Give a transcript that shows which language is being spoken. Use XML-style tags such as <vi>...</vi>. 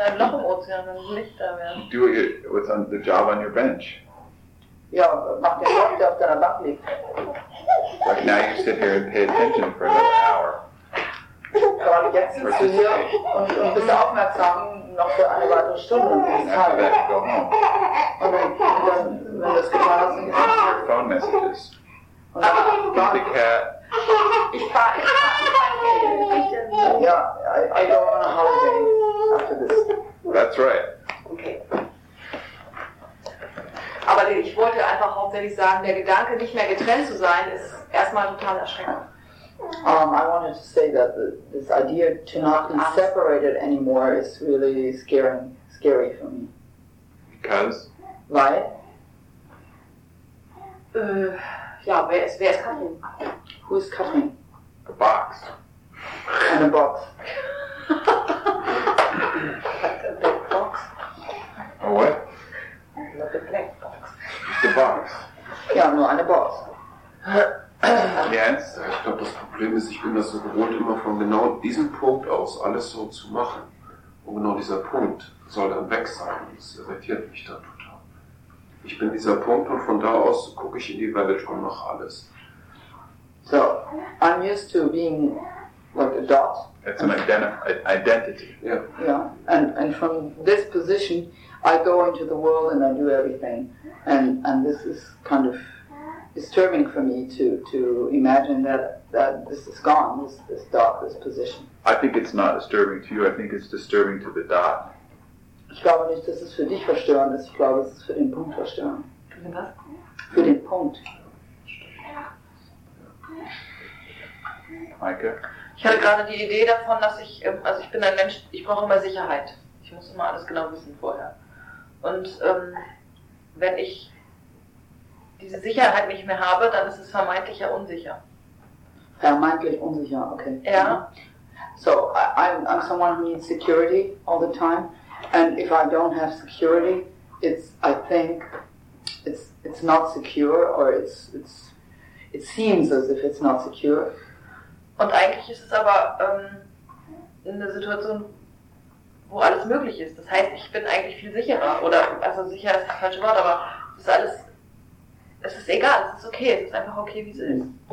<en>Do what's on the job on your bench.</en> <de>Ja, mach den Job, der auf deiner Bank liegt.</de> <en>Like now you sit here and pay attention for another hour.</en> <de>Gerade jetzt sitzt du hier und bist aufmerksam noch für eine weitere Stunde.</de> <en>And after that, you go home.</en> <de>Und wenn das getan ist, dann kriegst du</de> <en>phone messages. Get the cat. I go on a holiday after this. That's right. Okay.</en> <de>Aber ich wollte einfach hauptsächlich sagen, der Gedanke, nicht mehr getrennt zu sein, ist erstmal total erschreckend.</de> <en>I wanted to say that this idea to not be separated anymore is really scary for me. Because? Why?</en> <de>Ja, wer ist Katrin?</de> <en>Who is Katrin? A box. And a box. A big box. A what? Not a black box. The box.</en> <de>Ja, nur eine Box.</de> <en>Yes.</en> <de>Ich glaube, das Problem ist, ich bin das so gewohnt, immer von genau diesem Punkt aus alles so zu machen. Und genau dieser Punkt soll dann weg sein. Das irritiert mich dann total. Ich bin dieser Punkt und von da aus gucke ich in die Welt und mache alles.</de> <en>So, I'm used to being like a dot. It's an identity. Yeah. Yeah. And from this position, I go into the world and I do everything. And this is kind of disturbing for me to imagine that this is gone, this dot, this position. I think it's not disturbing to you. I think it's disturbing to the dot.</en> <de>Ich glaube nicht, dass es für dich verstörend ist. Ich glaube, es ist für den Punkt verstörend. Für den was? Für den Punkt. Maike? Ich hatte gerade die Idee davon, dass ich, also ich bin ein Mensch, ich brauche immer Sicherheit. Ich muss immer alles genau wissen vorher. Und wenn ich diese Sicherheit nicht mehr habe, dann ist es vermeintlich ja unsicher. Vermeintlich unsicher, okay. Ja. Yeah.</de> <en>So, I'm someone who needs security all the time. And if I don't have security, I think it's not secure, or it seems as if it's not secure.</en> <de>Und eigentlich ist es aber eine Situation, wo alles möglich ist. Das heißt, ich bin eigentlich viel sicherer. Oder, also sicher ist das falsche Wort, aber es ist alles, es ist egal, es ist okay, es ist einfach okay, wie es ist.</de>